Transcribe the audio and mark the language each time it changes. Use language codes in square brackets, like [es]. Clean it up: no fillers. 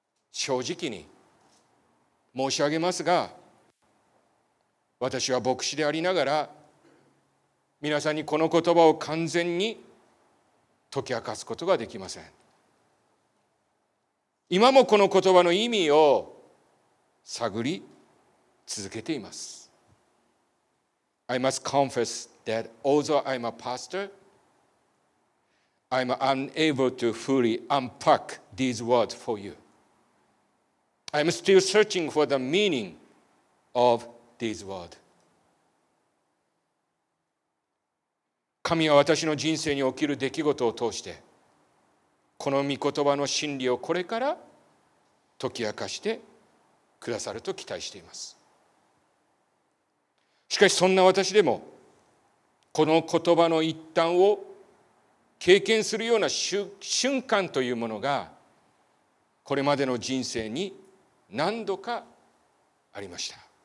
[ja] 正直に申し上げますが、私は牧師でありながら皆さんにこの言葉を完全に解き明かすことができません。今もこの言葉の意味を探り続けています。 [en] I must confess that although I'm a pastor, I'm unable to fully unpack these words for you. I'm still searching for the meaning of these words. [ja] 神は私の人生に起きる出来事を通して、この御言葉の真理をこれから解き明かしてくださると期待しています。しかしそんな私でも、この言葉の一端を経験するような瞬間というものが、これまでの人生に何度かありました。